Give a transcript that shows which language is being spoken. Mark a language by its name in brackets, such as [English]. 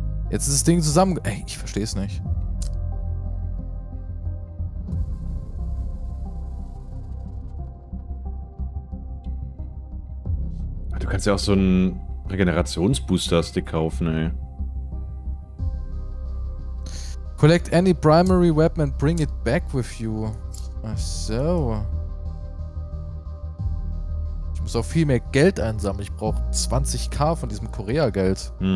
[German] Jetzt ist das Ding zusammen. Ey, ich verstehe es nicht. Du kannst ja auch so einen Regenerationsbooster-Stick kaufen, ey. [English] Collect any primary weapon and bring it back with you. [German] Ach so. Ich muss auch viel mehr Geld einsammeln. Ich brauche 20k von diesem Korea-Geld.